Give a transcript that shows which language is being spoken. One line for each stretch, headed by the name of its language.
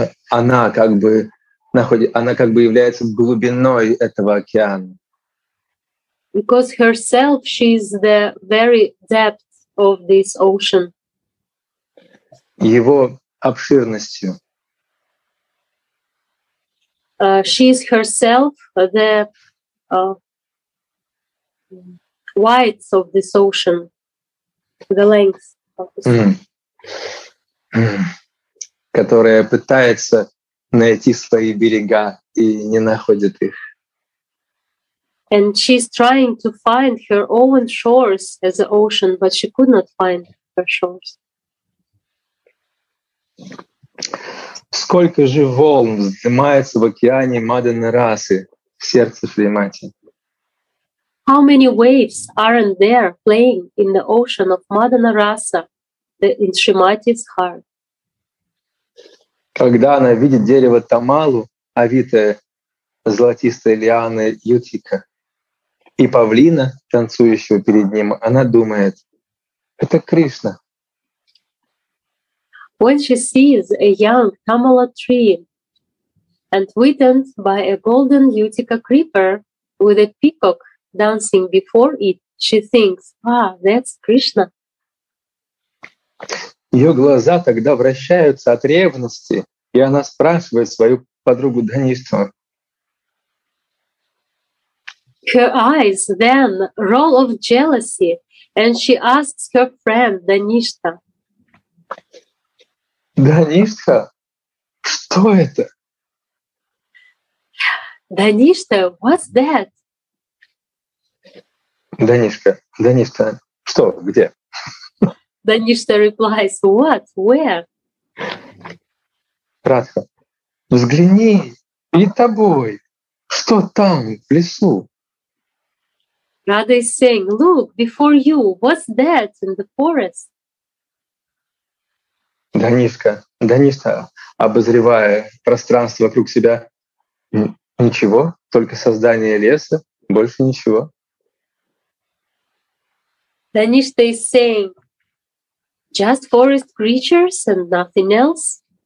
Russian: Она как бы является глубиной этого океана.
English: Because herself she is the very depth of this ocean.
Russian: Его обширностью.
English: She is herself the width of this ocean, the length of this ocean.
Russian: Которая пытается найти свои берега и не находит их.
English: And she's trying to find her own shores as an ocean, but she could not find her shores.
Russian: Сколько же волн вздымается в океане Мадхана-расы в сердце Шримати?
English: How many waves aren't there playing in the ocean of Мадхана-раса in Shrimati's heart?
Russian: Когда она видит дерево Тамалу, овитое золотистой лианой Ютика, и павлина, танцующего перед ним, она думает: это Кришна.
English: When she sees a young Tamala tree and witnessed by a golden Yutika creeper with a peacock dancing before it, she thinks, ah, that's Krishna.
Russian: Ее глаза тогда вращаются от ревности, и она спрашивает свою подругу Даништу.
English: Her eyes then roll of jealousy, and she asks her friend Danishta.
Russian: Даништа, что это?
English: Даништа, what's that?
Russian: Даништа, что, где?
English: Даништа replies, what, where?
Russian: Радха, взгляни и тобой, что там в лесу?
English: Radha is saying, look, before you, what's that in the forest?
Russian: Даништа, обозревая пространство вокруг себя, ничего, только создание леса, больше ничего.
English: Даништа is saying, just forest creatures and nothing else?